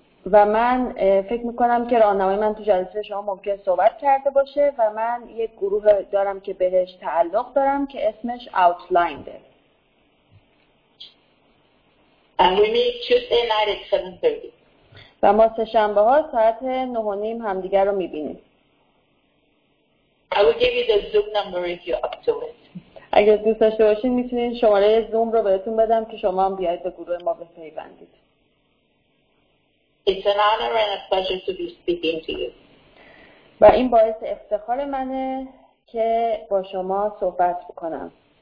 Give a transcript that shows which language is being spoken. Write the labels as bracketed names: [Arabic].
[Persian] و من فکر میکنم که راهنمای من تو جلسه شما ممکن صحبت کرده باشه و من یک گروه دارم که بهش تعلق دارم که اسمش Outline. [English] And we meet Tuesday night at 7:30. [Persian] و ما سه شنبه ها ساعت 9:30 همدیگر رو میبینیم. [English] I will give you the Zoom number if you're up to it. [Persian] اگر دوست داشته باشین میتونین شماره زوم رو بهتون بدم که شما هم بیاید به گروه ما بپیوندید. [English] It's an honor and a pleasure to be speaking to you. [Persian] و این باعث افتخار منه که با شما صحبت بکنم.